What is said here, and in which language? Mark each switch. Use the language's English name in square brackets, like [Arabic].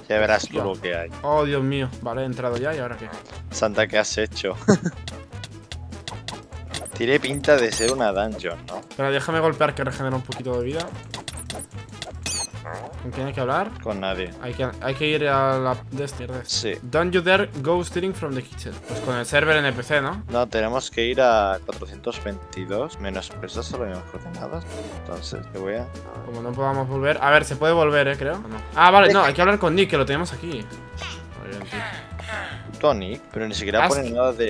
[Spanish] Ya verás tú lo que hay. Oh, Dios mío. Vale, he entrado ya. ¿Y ahora qué? Santa, ¿qué has hecho? Tiene pinta de ser una dungeon, ¿no? Pero déjame golpear que regenera un poquito de vida. ¿Con quién hay que hablar? Con nadie. Hay que ir a la de este. Sí. [English] Don't you dare go stealing from the kitchen. [Spanish] Pues con el server NPC, ¿no? No, tenemos que ir a 422 menos pesos, solo hay unas coordenadas. Entonces, te voy a. Como no podamos volver. A ver, se puede volver, creo. ¿O no? Ah, vale, no, hay que hablar con Nick, que lo tenemos aquí. Muy bien, tío. Tony, pero ni siquiera ask, ponen nada de.